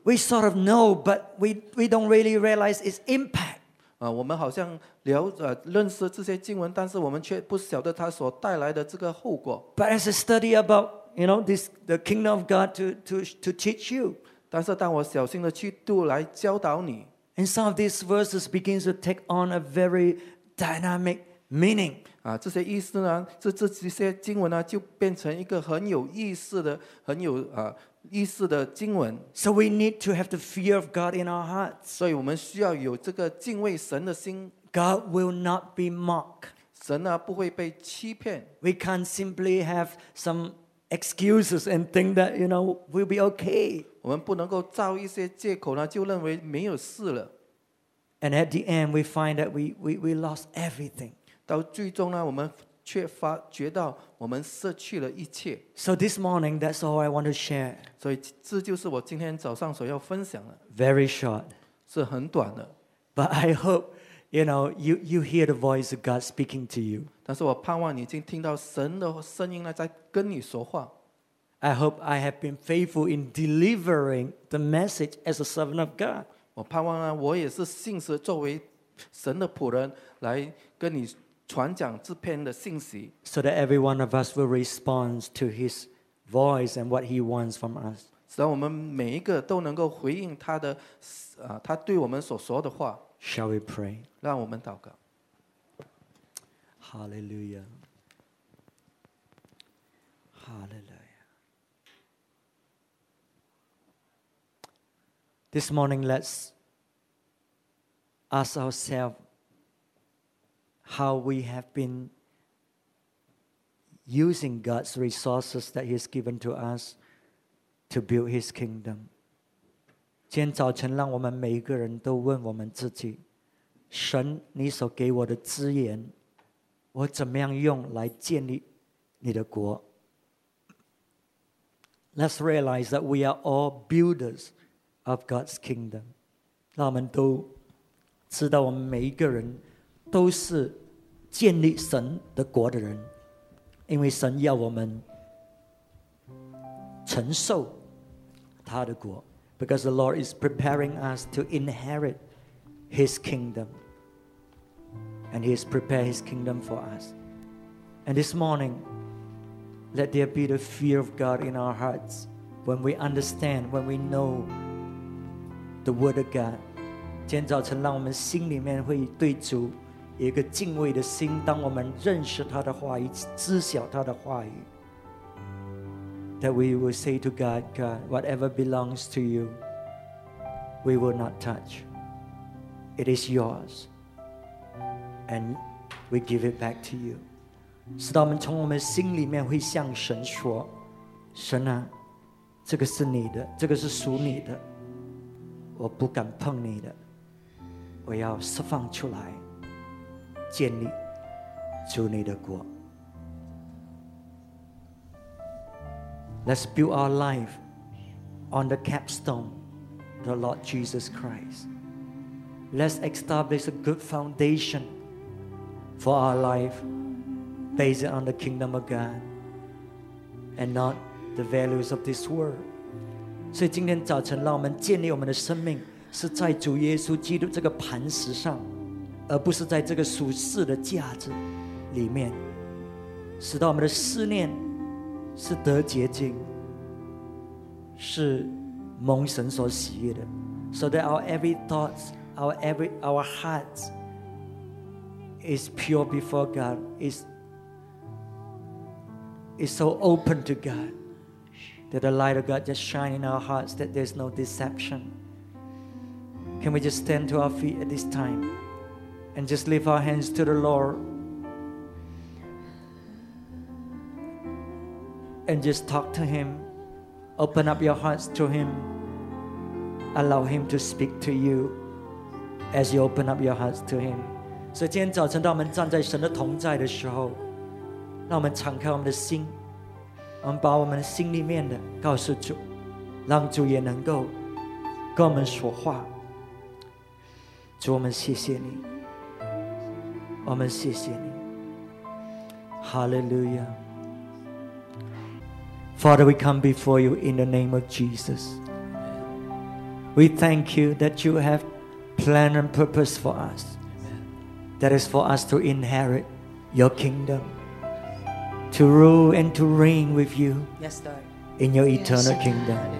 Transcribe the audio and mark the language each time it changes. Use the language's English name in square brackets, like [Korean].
[English] We sort of know, but we don't really realize its impact. [Chinese] 我们好像认识这些经文，但是我们却不晓得它所带来的这个后果。 [English] But as a study about you know this, the kingdom of God to teach you. [Chinese] 但是当我小心的去读来教导你。 [English] And some of these verses begin to take on a very dynamic meaning. [Chinese] 这些意思呢，这些经文呢，就变成一个很有意思的、很有意思的经文。 [English] So we need to have the fear of God in our hearts. [Chinese] 所以我们需要有这个敬畏神的心。 [English] God will not be mocked. [Chinese] 神啊，不会被欺骗。 [English] We can't simply have some excuses and think that you know we'll be okay. [Chinese] 我们不能够造一些借口呢，就认为没有事了。 [English] And at the end, we find that we lost everything. [Chinese] 到最终呢，我们却发觉到我们失去了一切。 [English] So this morning, that's all I want to share. [Chinese] 所以这就是我今天早上所要分享的。 [English] Very short. [Chinese] 是很短的。 [English] But I hope you know you hear the voice of God speaking to you. [Chinese] 但是我盼望你已经听到神的声音了，在跟你说话。 [English] I hope I have been faithful in delivering the message as a servant of God. [Chinese] 我盼望啊，我也是信实作为神的仆人来跟你传讲这篇的信息。 [English] So that every one of us will respond to His voice and what He wants from us. [Chinese] 使我们每一个都能够回应他的他对我们所说的话。 [English] Shall we pray? [Chinese] 让我们祷告。 [English] Hallelujah. Hallelujah. This morning, let's ask ourselves how we have been using God's resources that He has given to us to build His kingdom. [Chinese] 今天早晨，让我们每一个人都问我们自己：神，你所给我的资源，我怎么样用来建立你的国？ [English] Let's realize that we are all builders of God's kingdom. [Chinese] 让我们都知道我们每一个人都是建立神的国的人，因为神要我们承受他的国。 [English] Because the Lord is preparing us to inherit His kingdom. And He has prepared His kingdom for us. And this morning, let there be the fear of God in our hearts when we understand, when we know the Word of God. [Chinese] 今天早晨，让我们心里面会对主有一个敬畏的心。当我们认识他的话语， [English] 知晓他的话语， that we will say to God, God, whatever belongs to you, we will not touch. It is yours. And we give it back to you. [Chinese] 使到我们从我们心里面会向神说，神啊，这个是你的，这个是属你的，我不敢碰你的，我要释放出来，建立主你的国。 [English] Let's build our life on the capstone, the Lord Jesus Christ. Let's establish a good foundation for our life based on the kingdom of God and not the values of this world. [Chinese] 所以今天早晨让我们建立我们的生命是在主耶稣基督这个磐石上，而不是在这个属世的价值里面，使到我们的思念是得洁净，是蒙神所喜悦的。 [English] So that our every thoughts, our hearts is pure before God, is so open to God that the light of God just shine in our hearts, that there's no deception. Can we just stand to our feet at this time and just lift our hands to the Lord? And just talk to him. Open up your hearts to him. Allow him to speak to you as you open up your hearts to him. [Chinese] So, 今天早晨当我们站在神的同在的时候，让我们敞开我们的心，我们把我们心里面的告诉主，让主也能够跟我们说话。主，我们谢谢你，我们谢谢你。 [English] Hallelujah. Father, we come before you in the name of Jesus. We thank you that you have plan and purpose for us. That is for us to inherit your kingdom, to rule and to reign with you in your eternal kingdom.